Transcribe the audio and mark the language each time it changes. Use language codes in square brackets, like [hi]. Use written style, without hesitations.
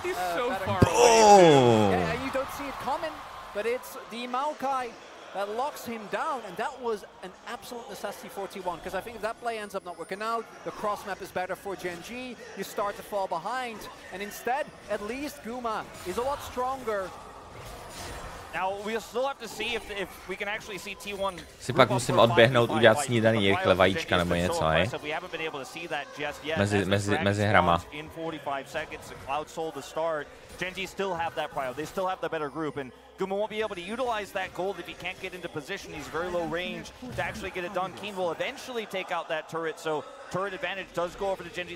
[en] Boom. Yeah, you don't see it coming, but it's the Maokai that locks him down, and that was an absolute necessity for T1, because I think if that play ends up not working out, the cross map is better for Gen G, you start to fall behind, and instead, at least Guma is a lot stronger. Now, we still have to see if we can actually see T1. [cs] Si pak musím odběhnout, udělat snídaní, rychle vajíčka nebo něco, hej? [en] We haven't been able to see that just yet. [cs] Mezi hrama. [en] In 45 seconds, the Cloud Soul to start. Gen G still have that prior, they still have the better group, and Guma won't be able to utilize that gold if he can't get into position. He's very low range to actually get it done. Keen will eventually take out that turret, so turret advantage does go over to Genji.